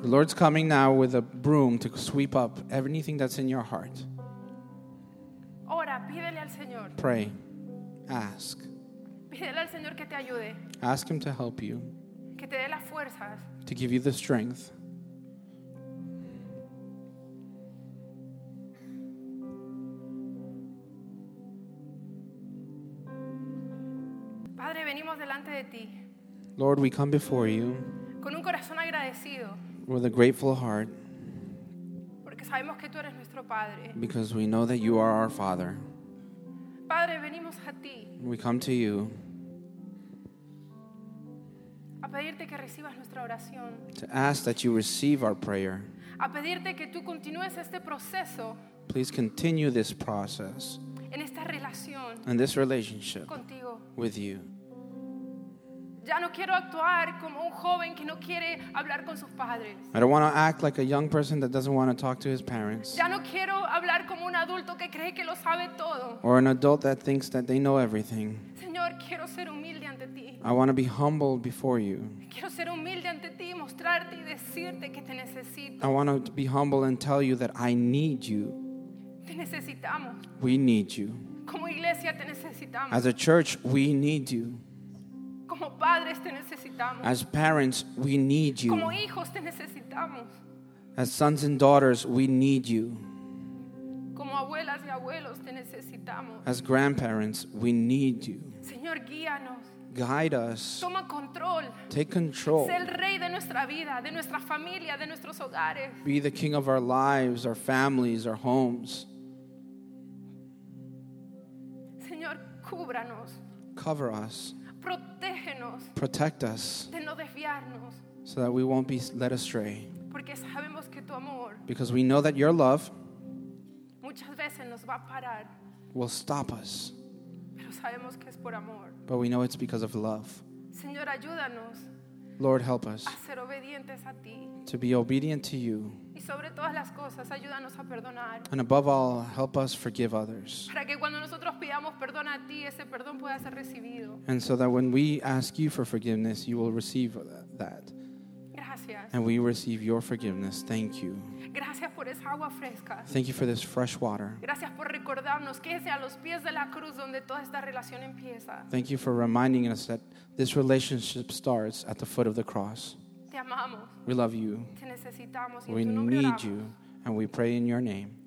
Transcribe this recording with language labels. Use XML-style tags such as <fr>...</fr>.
<en>The Lord's coming now with a broom to sweep up everything that's in your heart.</en> <es>Ora, pídele al Señor.</es> <en>Pray. Ask.</en> <es>Pídele al Señor que te ayude.</es> <en>Ask him to help you.</en> <es>Que te dé las fuerzas.</es> <en>To give you the strength.</en> <es>Padre, venimos delante de ti.</es> <en>Lord, we come before you.</en> <es>Con un corazón agradecido.</es> <en>With a grateful heart.</en> <es>Porque sabemos que tú eres nuestro Padre.</es> <en>Because we know that you are our Father.</en> <es>Padre, venimos a ti.</es> <en>We come to you.</en> <es>A pedirte que recibas nuestra oración.</es> <en>To ask that you receive our prayer.</en> <es>A pedirte que tú continúes este proceso.</es> <en>Please continue this process.</en> <es>En esta relación.</es> <en>In this relationship.</en> <es>Contigo.</es> <en>With you.</en> <es>Ya no quiero actuar como un joven que no quiere hablar con sus padres.</es> <en>I don't want to act like a young person that doesn't want to talk to his parents.</en> <es>Ya no quiero hablar como un adulto que cree que lo sabe todo.</es> <en>Or an adult that thinks that they know everything.</en> <es>Señor, quiero ser humilde ante ti.</es> <en>I want to be humble before you.</en> <es>Quiero ser humilde ante ti, mostrarte y decirte que te necesito.</es> <en>I want to be humble and tell you that I need you.</en> <es>Te necesitamos.</es> <en>We need you.</en> <es>Como iglesia te necesitamos.</es> <en>As a church, we need you.</en> <es>Como padres te necesitamos.</es> <en>As parents, we need you.</en> <es>Como hijos te necesitamos.</es> <en>As sons and daughters, we need you.</en> <es>Como abuelas y abuelos te necesitamos.</es> <en>As grandparents, we need you.</en> <es>Señor, guíanos.</es> <en>Guide us.</en> <es>Toma control.</es> <en>Take control.</en> <es>Sé el rey de nuestra vida, de nuestra familia, de nuestros hogares.</es> <en>Be the king of our lives, our families, our homes.</en> <es>Señor, cúbranos.</es> <en>Cover us.</en> <es>Protégenos.</es> <en>Protect us.</en> <es>De no desviarnos.</es> <en>So that we won't be led astray.</en> <es>Porque sabemos que tu amor.</es> <en>Because we know that your love.</en> <es>Muchas veces nos va a parar.</es> <en>Will stop us.</en> <es>Pero sabemos que es por amor.</es> <en>But we know it's because of love.</en> <es>Señor, ayúdanos.</es> <en>Lord, help us.</en> <es>A ser obedientes a ti.</es> <en>To be obedient to you.</en> <es>Y sobre todas las cosas, ayúdanos a perdonar.</es> <en>And above all, help us forgive others.</en> <es>Para que cuando nosotros pidamos perdón a ti, ese perdón pueda ser recibido.</es> <en>And so that when we ask you for forgiveness, you will receive that.</en> <es>Gracias.</es> <en>And we receive your forgiveness. Thank you.</en> <es>Gracias por esa agua fresca.</es> <en>Thank you for this fresh water.</en> <es>Gracias por recordarnos que es a los pies de la cruz donde toda esta relación empieza.</es> <en>Thank you for reminding us that this relationship starts at the foot of the cross.</en> <es>Te amamos.</es> <en>We love you.</en> <es>Te necesitamos.</es> <en>We need you, and we pray in your name.</en>